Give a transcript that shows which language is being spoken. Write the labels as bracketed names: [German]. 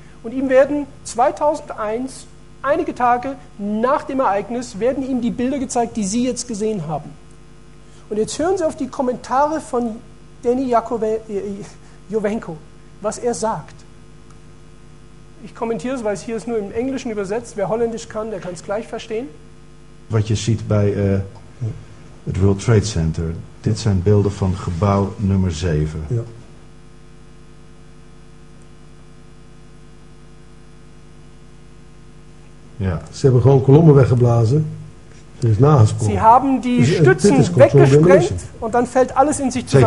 [German] Und ihm werden 2001, einige Tage nach dem Ereignis, werden ihm die Bilder gezeigt, die Sie jetzt gesehen haben. Und jetzt hören Sie auf die Kommentare von Danny Jovenko, was er sagt. Ich kommentiere es, weil es hier ist nur im Englischen übersetzt. Wer Holländisch kann, der kann es gleich verstehen. [English] What you see by the World Trade Center. [Dutch] Dit zijn beelden van gebouw nummer 7. Ja. Ja. Ze hebben gewoon kolommen weggeblazen. Er is nagesprongen. [German] Sie haben die Stützen weggesprengt und dann fällt alles in sich zusammen.